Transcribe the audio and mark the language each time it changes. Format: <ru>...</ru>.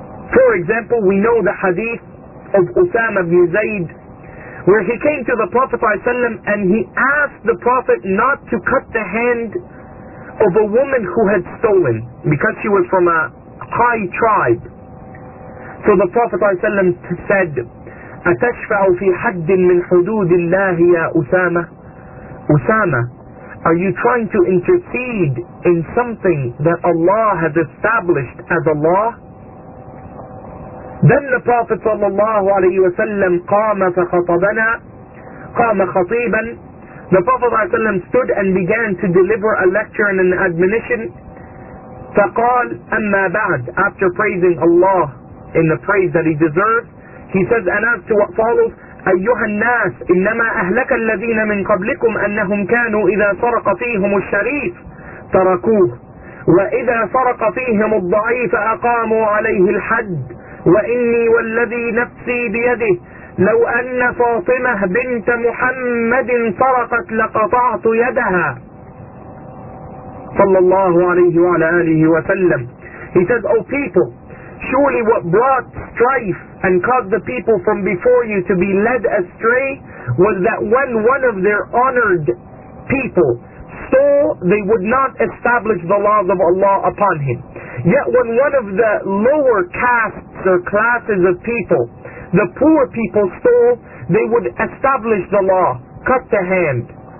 <en>For example, we know the hadith of Usama ibn Zayd, where he came to the Prophet ﷺ and he asked the Prophet not to cut the hand of a woman who had stolen, because she was from a high tribe. So the Prophet ﷺ said,</en> <ar>أَتَشْفَعُ فِي حَدٍ مِّنْ حُدُودِ اللَّهِ يَا أُسَامَةَ.</ar> <en>Usama, are you trying to intercede in something that Allah has established as a law? Then the Prophet sallallahu alayhi wa sallam</en> <ar>قام فخطبنا قام خطيبا.</ar> <en>The Prophet sallallahu alayhi wa stood and began to deliver a lecture and an admonition.</en> <ar>فقال أما بعد,</ar> <en>after praising Allah in the praise that he deserved, he says, and as to what follows,</en> <ar>أيها الناس إنما أهلك الذين من قبلكم أنهم كانوا إذا سرق فيهم الشريف تركوه وإذا سرق فيهم الضعيف أقاموا عليه الحد وإني والذي نفسي بيده لو أن فاطمة بنت محمد سرقت لقطعت يدها صلى الله عليه وعلى آله وسلم.</ar> <en>He says, O people, surely what brought strife and caused the people from before you to be led astray was that when one of their honored people stole, they would not establish the laws of Allah upon him. Yet when one of the lower castes or classes of people, the poor people, stole, they would establish the law, cut the hand.</en>